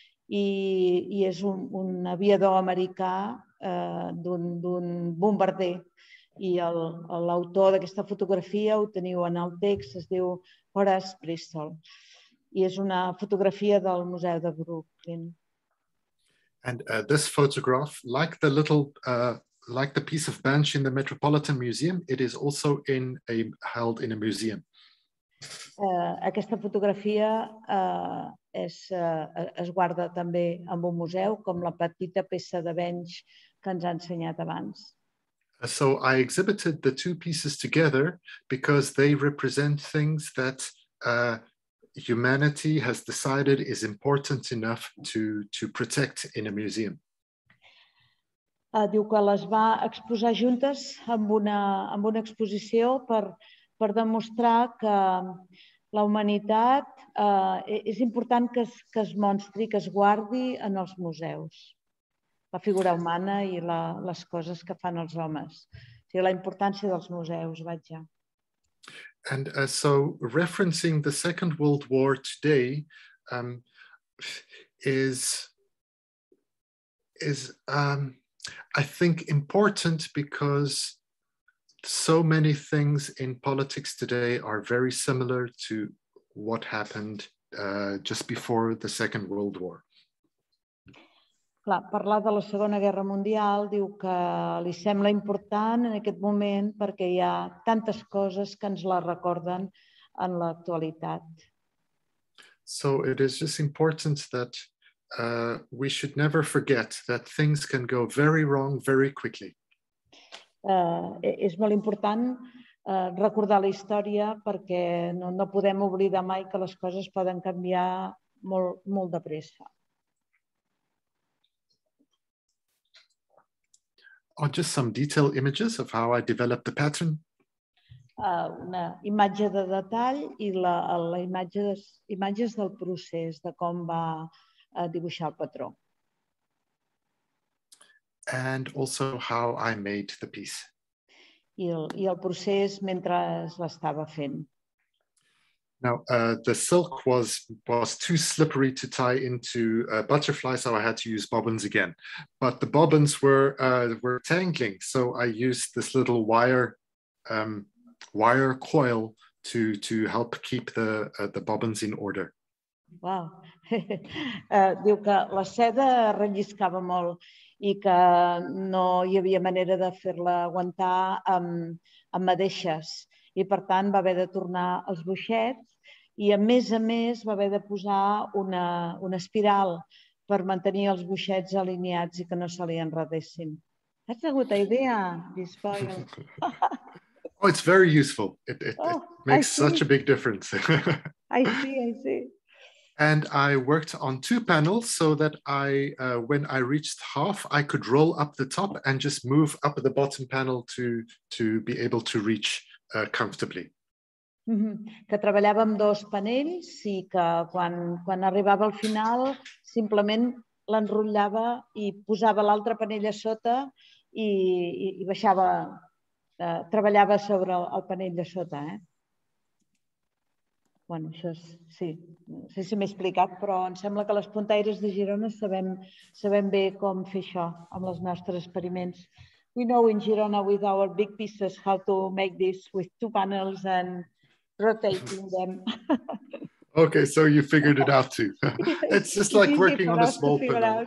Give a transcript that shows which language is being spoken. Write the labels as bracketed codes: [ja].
[ca] I és un aviador americà d'un bombarder. I l'autor d'aquesta fotografia, ho teniu en el text, es diu Horace Bristol. I és una fotografia del Museu de Brooklyn. [en] And this photograph, like the little, like the piece of bench in the Metropolitan Museum, it is also held in a museum. [ca] Aquesta fotografia es guarda també en un museu, com la petita peça de bench que ens ha ensenyat abans. [en] So I exhibited the two pieces together because they represent things that humanity has decided is important enough to protect in a museum. [ca] Diu que les va exposar juntes amb una exposició per demostrar que la humanitat és important que es mostri, que es guardi en els museus, la figura humana i les coses que fan els homes. O sigui, la importància dels museus, vaig ja. [en] And referencing the Second World War today is I think important because so many things in politics today are very similar to what happened just before the Second World War. [ca] Clar, parlar de la Segona Guerra Mundial diu que li sembla important en aquest moment perquè hi ha tantes coses que ens la recorden en l'actualitat. [en] So it is just important that we should never forget that things can go very wrong very quickly. [ca] És molt important recordar la història perquè no podem oblidar mai que les coses poden canviar molt, molt de pressa. [en] Oh, just some detailed images of how I developed the pattern. [ca] Una imatge de detall i la imatges del procés de com va dibuixar el patró. [en] And also how I made the piece. [ca] I el procés mentre l'estava fent. [en] Now, the silk was too slippery to tie into a butterfly, so I had to use bobbins again. But the bobbins were tangling, so I used this little wire coil to help keep the bobbins in order. Wow. [ca] Diu que la seda relliscava molt i que no hi havia manera de fer-la aguantar amb madeixes I, per tant, va haver de tornar els boixets i, a més, va haver de posar una espiral per mantenir els boixets alineats i que no se li enredessin. Has tingut idea, Dispoil? [en] Oh, it's very useful. It makes such a big difference. I see. And I worked on two panels so that I, when I reached half, I could roll up the top and just move up the bottom panel to be able to reach comfortably. Mm-hmm. [ca] Que treballava amb dos panells i que quan arribava al final simplement l'enrotllava i posava l'altre panell a sota i baixava, treballava sobre el panell de sota, eh? Bueno, això és, sí, no sé si m'he explicat, però em sembla que les puntaires de Girona sabem bé com fer això amb els nostres experiments. [en] We know in Girona with our big pieces how to make this with two panels and rotating them. Okay, so you figured it out too. It's just like working on a small panel.